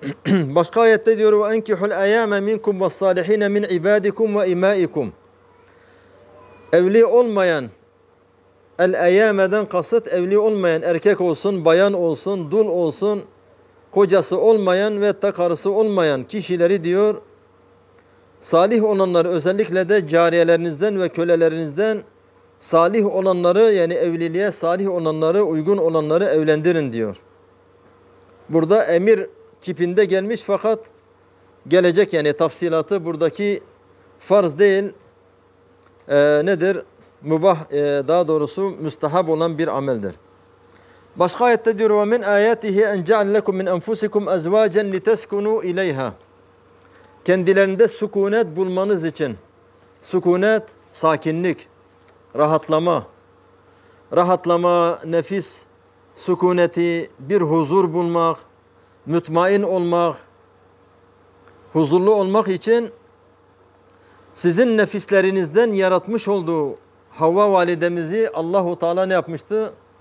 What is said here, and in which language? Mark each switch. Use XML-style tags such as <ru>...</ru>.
<tr>Başka ayette diyor:</tr> <ar>وَاَنْكِحُ الْاَيَامَ مِنْكُمْ وَالصَّالِحِينَ مِنْ عِبَادِكُمْ وَاِمَائِكُمْ.</ar> <tr>Evli olmayan, el-eyyâmeden kasıt evli olmayan erkek olsun, bayan olsun, dul olsun, kocası olmayan ve hatta karısı olmayan kişileri diyor, salih olanları, özellikle de cariyelerinizden ve kölelerinizden salih olanları, yani evliliğe salih olanları, uygun olanları evlendirin diyor. Burada emir tipinde gelmiş fakat gelecek, yani tafsilatı buradaki farz değil, nedir? Mubah, daha doğrusu müstehab olan bir ameldir. Başka ayette diyor:</tr> <ar>وَمِنْ آيَاتِهِ اَنْ جَعَلْ لَكُمْ مِنْ أَنْفُسِكُمْ اَزْوَاجًا لِتَسْكُنُوا اِلَيْهَا.</ar> <tr>Kendilerinde sükunet bulmanız için, sükunet, sakinlik, rahatlama, rahatlama, nefis sükuneti, bir huzur bulmak, mütmain olmak, huzurlu olmak için sizin nefislerinizden yaratmış olduğu Havva validemizi Allahu Teala ne yapmıştı?</tr>